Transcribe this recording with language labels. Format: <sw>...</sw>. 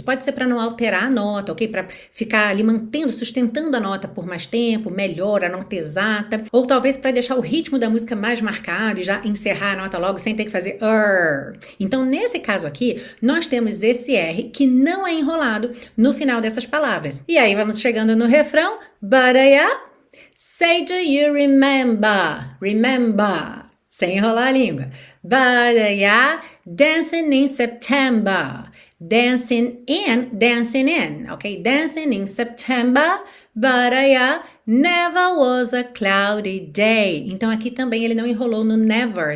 <pt>Pode ser para não alterar a nota, ok? Para ficar ali mantendo, sustentando a nota por mais tempo, melhor a nota exata. Ou talvez para deixar o ritmo da música mais marcado e já encerrar a nota logo, sem ter que fazer Então, nesse caso aqui, nós temos esse R que não é enrolado no final dessas palavras. E aí, vamos chegando no refrão.</pt> <en>But I say, do you remember? Remember.</en> <pt>Sem enrolar a língua.</pt> <en>But I dancing in September. Dancing in. Ok? Dancing in September. But I never was a cloudy day.</en> <pt>Então, aqui também ele não enrolou no never.</pt>